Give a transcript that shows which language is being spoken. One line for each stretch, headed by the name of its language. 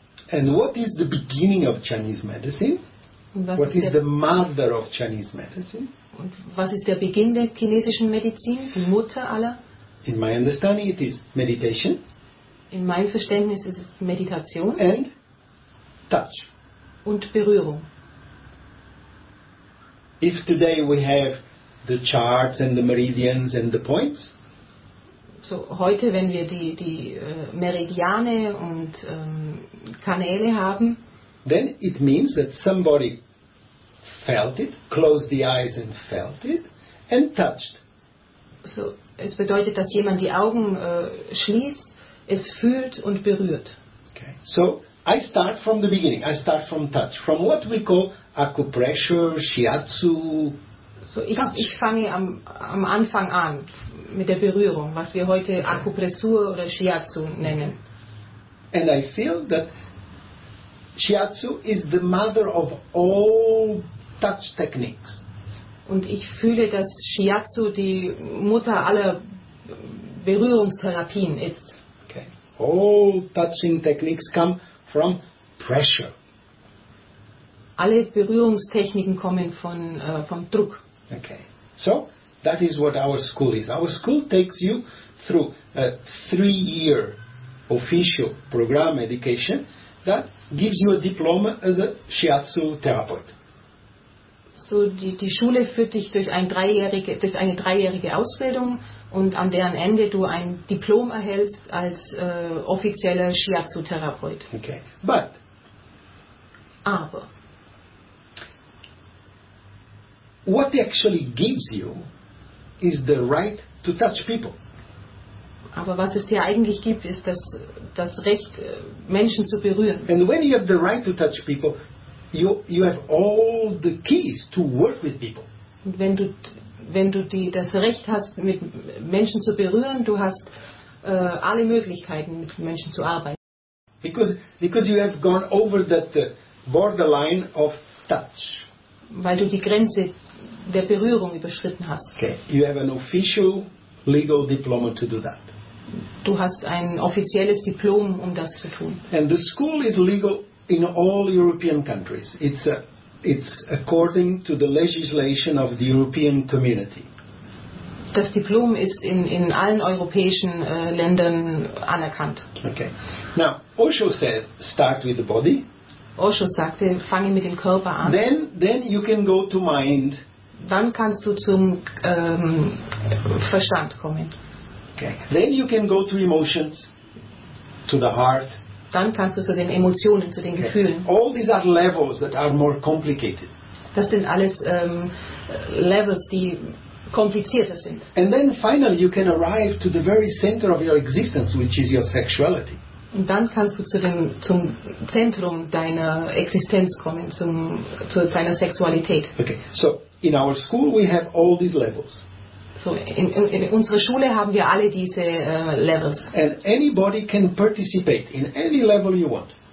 English: And what is the beginning of Chinese medicine? What is the mother of Chinese medicine?
German: Und was ist der Beginn der chinesischen Medizin? Die Mutter aller?
English: In my understanding it is meditation.
German: In meinem Verständnis ist es Meditation.
English: And touch.
German: Und Berührung.
English: If today we have the charts and the meridians and the points.
German: So heute, wenn wir die Meridiane und Kanäle haben,
English: then it means that somebody felt it, closed the eyes and felt it, and touched.
German: So es bedeutet, dass jemand die Augen schließt, es fühlt und berührt.
English: Okay. So I start from the beginning. I start from touch, from what we call acupressure, shiatsu.
German: So ich fange am Anfang an mit der Berührung, was wir heute Akupressur oder Shiatsu nennen.
English: And I feel that Shiatsu is the mother of all touch techniques.
German: Und ich fühle, dass Shiatsu die Mutter aller Berührungstherapien ist.
English: Okay. All touching techniques come from pressure.
German: Alle Berührungstechniken kommen vom Druck.
English: Okay, so that is what our school is. Our school takes you through a 3-year official program education that gives you a diploma as a shiatsu therapist.
German: So die Schule führt dich durch eine dreijährige Ausbildung und an deren Ende du ein Diplom erhältst als offizieller shiatsu Therapeut.
English: Okay, but.
German: Aber.
English: What it actually gives you is the right to touch people.
German: Aber was es dir eigentlich gibt, ist das Recht, Menschen zu berühren.
English: And when you have the right to touch people, you have all the keys to work with people.
German: Und wenn du das Recht hast, mit Menschen zu berühren, du hast alle Möglichkeiten, mit Menschen zu arbeiten.
English: Because you have gone over that borderline of touch.
German: Weil du die Grenze der Berührung überschritten hast.
English: Okay. You have an official legal diploma to do that.
German: Du hast ein offizielles Diplom, um das zu tun.
English: And the school is legal in all European countries. It's according to the legislation of the European Community.
German: Das Diplom ist in allen europäischen Ländern anerkannt.
English: Okay. Now, Osho said, start with the body.
German: Osho sagte, fange mit dem Körper an.
English: Then you can go to mind.
German: Dann kannst du zum Verstand kommen.
English: Okay. Then you can go to emotions, to the heart.
German: Dann kannst du zu den Emotionen, zu den Gefühlen.
English: All these are levels that are more complicated.
German: Das sind alles Levels, die komplizierter sind.
English: And then finally you can arrive to the very center of your existence, which is your sexuality.
German: Und dann kannst du zum Zentrum deiner Existenz kommen, zu deiner Sexualität.
English: Okay, so in our school we have all these levels.
German: So in unserer Schule haben wir alle diese Levels.
English: And anybody can participate in any level you want.